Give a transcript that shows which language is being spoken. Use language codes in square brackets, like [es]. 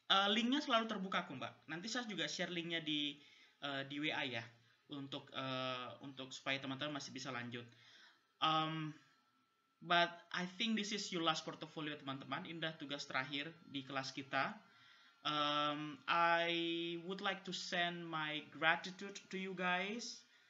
[id] Linknya selalu terbuka kok Mbak, nanti saya juga share linknya di WA ya, untuk supaya teman-teman masih bisa lanjut. [en] But I think this is your last portfolio, teman-teman. [id] Ini adalah tugas terakhir di kelas kita. [en] I would like to send my gratitude to you guys.